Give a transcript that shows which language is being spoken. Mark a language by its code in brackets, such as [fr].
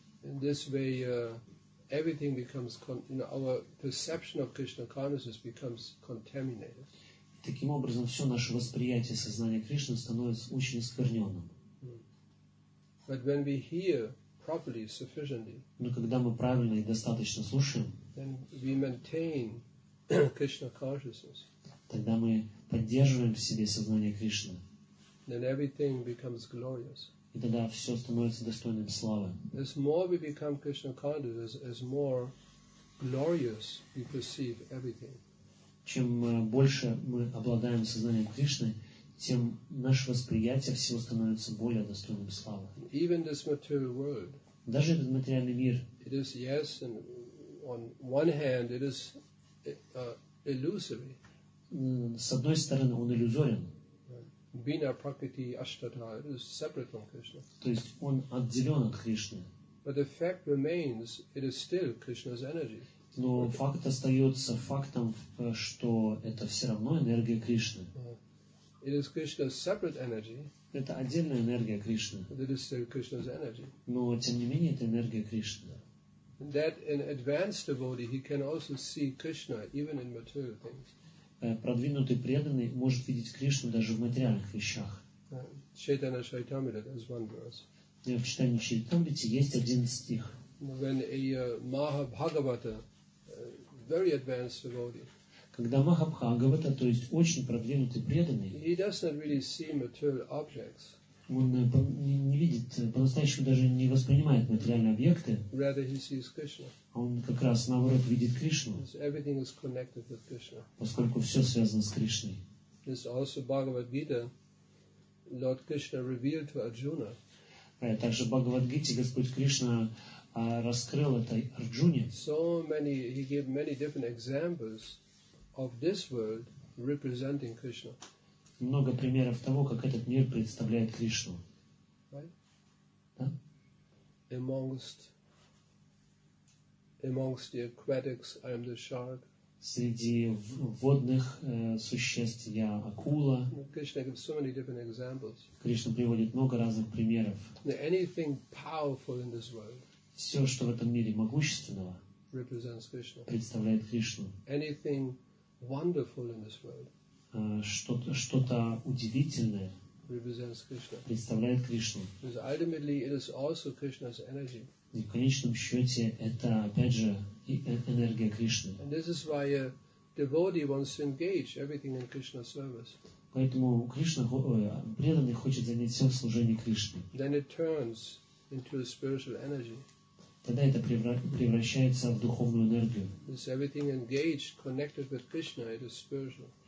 [en] In this way, everything becomes, you know, our perception of Krishna consciousness becomes contaminated. [ru] Таким образом, все наше восприятие сознания Кришны становится очень оскверненным. [en] But when we hear properly, sufficiently, [ru] но когда мы правильно и достаточно слушаем, [en] then we maintain Krishna consciousness. [ru] Тогда мы поддерживаем в себе сознание Кришны. [en] Then everything becomes glorious. [ru] И тогда все становится достойным славы. [en] As more we become Krishna conscious, as more glorious we perceive everything. [ru] Чем больше мы обладаем сознанием Кришны, тем наше восприятие всего становится более достойным славы. [en] Even this material world. [ru] Даже этот материальный мир. [en] It is yes, and on one hand it is illusory. [ru] С одной стороны, он иллюзорен. [en] Bina prakriti ashtata, it is separate from Krishna. [ru] То есть он отделен от Кришны. [en] But the fact remains, it is still Krishna's energy. [ru] Но факт остается фактом, что это все равно энергия Кришны. [en] It is Krishna's separate energy. [ru] Это отдельная энергия Кришны. [en] But it is still Krishna's energy. [ru] Но тем не менее это энергия Кришны. [en] That an advanced devotee he can also see Krishna even in material things. [ru] Продвинутый преданный может видеть Кришну даже в материальных вещах. [en] Chaitanya Charitamrita, there's one verse. [ru] В Читании Чайтамрите есть один стих. [en] When a Mahabhagavata, very advanced devotee. [ru] Когда Махабхагавата, то есть очень продвинутый преданный, [en] he does not really see material objects. [ru] Он не видит, по-настоящему даже не воспринимает материальные объекты. [en] Rather he sees Krishna. [ru] Он как раз наоборот видит Кришну. [en] Everything is connected with Krishna. [ru] Поскольку все связано с Кришной. [en] This also Bhagavad Gita, Lord Krishna revealed to Arjuna. [ru] Также в Бхагавад-гите Господь Кришна раскрыл это Арджуне. [en] So many, he gave many different examples of this world representing Krishna. [ru] Много примеров того, как этот мир представляет Кришну. [en] Right? [ru] Да? [en] Amongst the aquatics, I am the shark. [ru] Среди водных существ я акула. [en] Krishna gives so many different examples. [ru] Кришна приводит много разных примеров. [en] Anything powerful in this world. [ru] Все, что в этом мире могущественного, [en] represents Krishna. [ru] Представляет Кришну. [en] Anything wonderful in this world. [ru] Что-то удивительное представляет Кришну. [en] Because ultimately it is also Krishna's energy. [ru] И в конечном счете это опять же энергия Кришны. [en] And this is why a devotee wants to engage everything in Krishna's service. [ru] Поэтому преданный хочет занять все в служении Кришны. [en] Then it turns into a spiritual energy. [ru] Тогда это превращается в духовную энергию. [en] This everything engaged, connected with Krishna, it is spiritual.